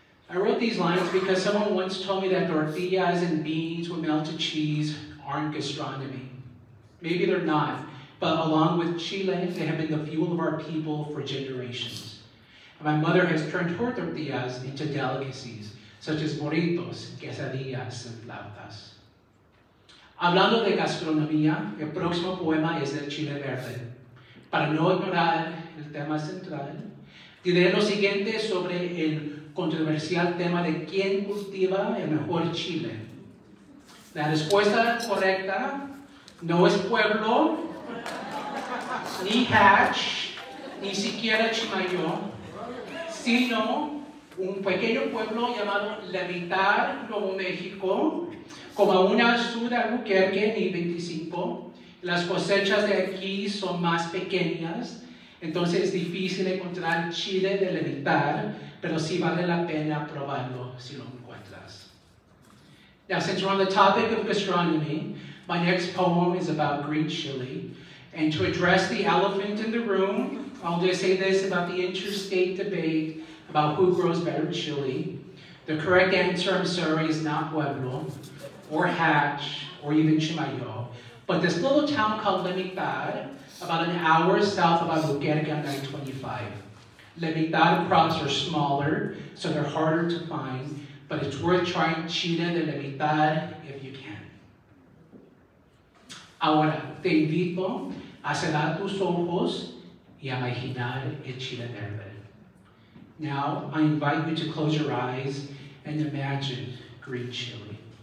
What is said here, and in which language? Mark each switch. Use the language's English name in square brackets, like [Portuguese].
[English] I wrote these lines because someone once told me that tortillas and beans with melted cheese aren't gastronomy. Maybe they're not, but along with chile, they have been the fuel of our people for generations. And my mother has turned her tortillas into delicacies, such as burritos, quesadillas, and flautas. [Spanish] Hablando de gastronomía, el próximo poema es del chile verde. Para no ignorar el tema central, diré lo siguiente sobre el controversial tema de quién cultiva el mejor chile. La respuesta correcta no es pueblo, ni Hatch, ni siquiera Chimayón, sino un pequeño pueblo llamado Levitar, Nuevo México, como a una sur de Albuquerque, ni 25. Las cosechas de aquí son más pequeñas, entonces es difícil encontrar chile de Levitar, pero sí vale la pena probarlo si lo encuentras. [English] Now, since we're on the topic of gastronomy, my next poem is about green chili. And to address the elephant in the room, I'll just say this about the interstate debate about who grows better chili. The correct answer, I'm sorry, is not Pueblo, or Hatch, or even Chimayo. But this little town called Levitar, about an hour south of Albuquerque on 925. Levitar crops are smaller, so they're harder to find, but it's worth trying chile de Levitar if you can. [Spanish] Ahora, te invito a cerrar tus ojos y a imaginar el chile verde. [English] Now, I invite you to close your eyes and imagine green chili.